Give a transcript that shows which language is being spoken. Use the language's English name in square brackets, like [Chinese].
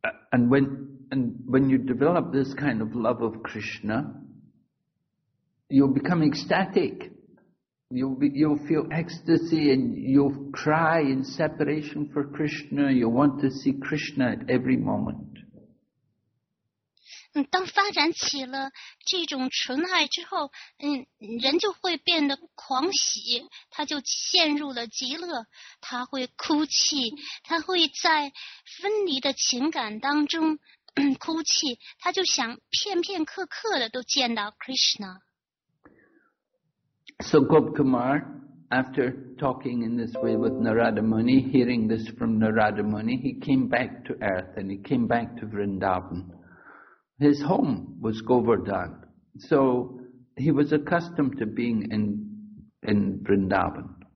[English] And when you develop this kind of love of Krishna, you'll become ecstatic. You'll feel ecstasy and you'll cry in separation for Krishna. You'll want to see Krishna at every moment. [Chinese] 当发展起了这种纯爱之后，人就会变得狂喜，他就陷入了极乐，他会哭泣，他会在分离的情感当中哭泣，他就想片片刻刻的都见到 Krishna。 [English] So Gop Kumar, after talking in this way with Narada Muni, hearing this from Narada Muni, he came back to earth and he came back to Vrindavan. His home was Govardhan, so he was accustomed to being in Vrindavan.